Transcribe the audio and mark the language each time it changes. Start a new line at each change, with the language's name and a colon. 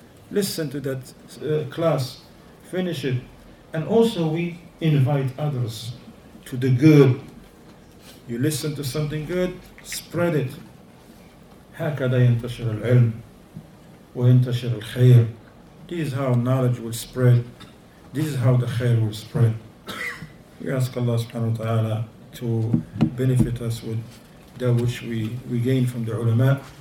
English: Listen to that class, finish it. And also we invite others to the good. You listen to something good, spread it.
Arabic: هكذا ينتشر العلم وينتشر الخير.
English: This is how knowledge will spread. This is how the khair will spread. We ask Allah subhanahu wa ta'ala to benefit us with that which we gain from the ulama.